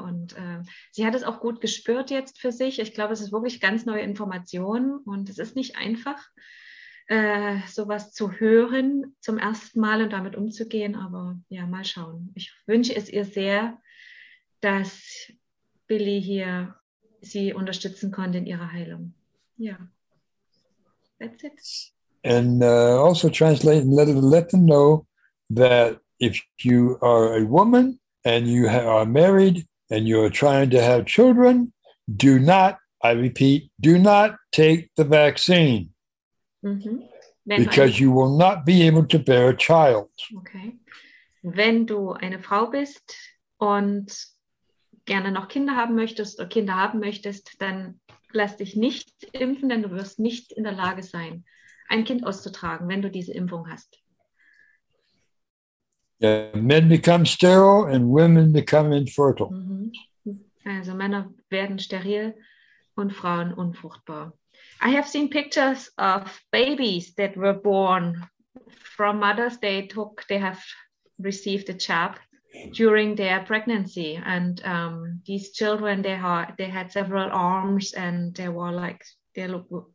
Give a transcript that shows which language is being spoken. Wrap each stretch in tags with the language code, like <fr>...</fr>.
<de>Und sie hat es auch gut gespürt jetzt für sich. Ich glaube, es ist wirklich ganz neue Information und es ist nicht einfach, sowas zu hören zum ersten Mal und damit umzugehen. Aber ja, mal schauen. Ich wünsche es ihr sehr, dass Billy hier sie unterstützen konnte in ihrer Heilung.</de> <en>Ja, that's it. And also translate and let them know that if you are a woman and you are married and you're trying to have children, do not, I repeat, do not take the vaccine. Mm-hmm. Because you will not be able to bear a child. Okay.</en> <de>Wenn du eine Frau bist und gerne noch Kinder haben möchtest oder Kinder haben möchtest, dann lass dich nicht impfen, denn du wirst nicht in der Lage sein, ein Kind auszutragen, wenn du diese Impfung hast.</de> <en>Men become sterile and women become infertile.</en> <de>Also Männer werden steril und Frauen unfruchtbar.</de> <en>I have seen pictures of babies that were born from mothers. They have received a jab during their pregnancy. And these children, they had several arms and they were like, they look.</en>